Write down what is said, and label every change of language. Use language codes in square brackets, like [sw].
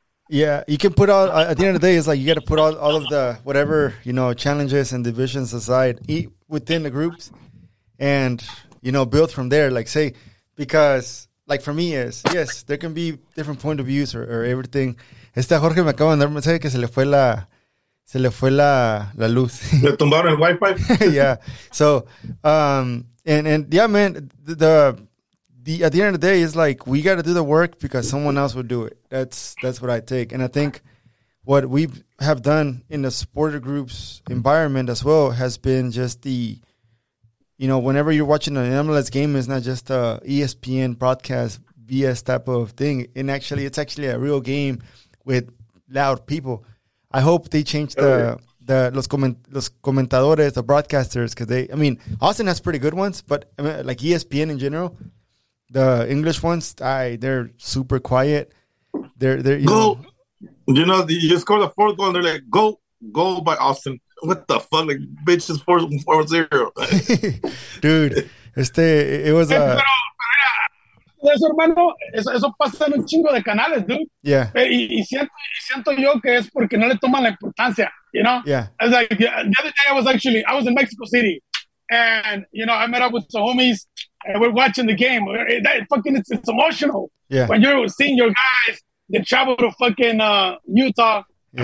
[en] Yeah, you can put all, at the end of the day, it's like you got to put all of the whatever, you know, challenges and divisions aside within the groups. And, you know, build from there, like, say, because, like, for me is, yes, there can be different point of views or everything. [es] Este Jorge me acaba de dar un mensaje que se le fue la luz. Le tumbaron el Wi-Fi. [en] Yeah. So, and yeah, man, the at the end of the day, it's like, we got to do the work because someone else will do it. That's what I take. And I think what we have done in the supporter groups environment as well has been just the, you know, whenever you're watching an MLS game, it's not just a ESPN broadcast BS type of thing. And actually, it's actually a real game with loud people. I hope they change the [es] los comentadores, [en] the broadcasters, because they, I mean, Austin has pretty good ones, but I mean, like ESPN in general, the English ones, they're super quiet. They're you go. Know, you know, you score the fourth goal, and they're like, go by Austin. What the fuck? Like, bitch, is 4-0. Dude, it was a... [es] Eso, hermano, eso pasa en un chingo de canales, dude. [en] Yeah. [es] Y siento yo que es porque no le toman la importancia, [en] you know? Yeah. I was like, the other day I was in Mexico City, and, you know, I met up with some homies, and we're watching the game. It's emotional. Yeah. When you're seeing your guys, they travel to fucking Utah, yeah.